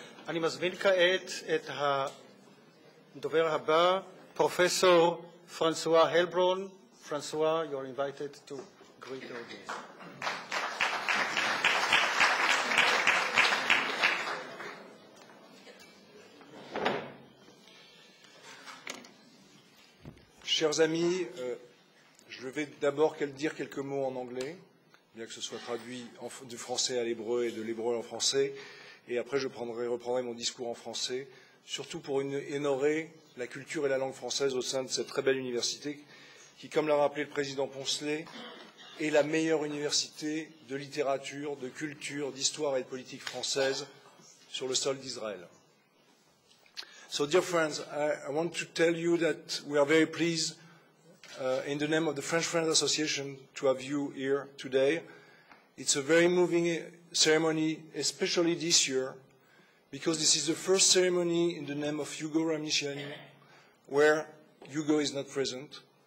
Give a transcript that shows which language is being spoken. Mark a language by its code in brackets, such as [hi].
[he] אני מזמין כעת את הדובר הבא, פרופסור פרנסואה הלברון. [en] פרנסואה, you are invited to greet the audience. [fr] Chers amis, je vais d'abord dire quelques mots en anglais. Bien que ce soit traduit du français à l'hébreu et de l'hébreu en français, et après je reprendrai mon discours en français, surtout pour honorer la culture et la langue française au sein de cette très belle université, qui, comme l'a rappelé le président Poncelet, est la meilleure université de littérature, de culture, d'histoire et de politique française sur le sol d'Israël. [en] So, dear friends, I want to tell you that we are very pleased. In the name of the French Friends Association, to have you here today. It's a very moving ceremony, especially this year, because this is the first ceremony in the name of Hugo Ramishiani, where Hugo is not present.